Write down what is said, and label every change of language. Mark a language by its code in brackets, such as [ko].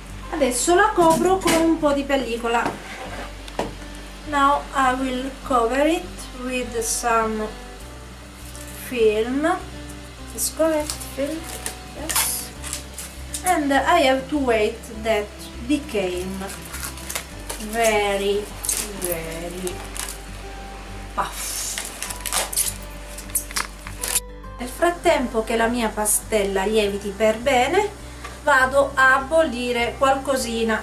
[it] Adesso la copro con un po' di pellicola. [en] Now I will cover it with some film. Let's cover it film. Yes. And I have to wait that became very, very puff. [it] Nel frattempo che la mia pastella lieviti per bene, vado a bollire qualcosina.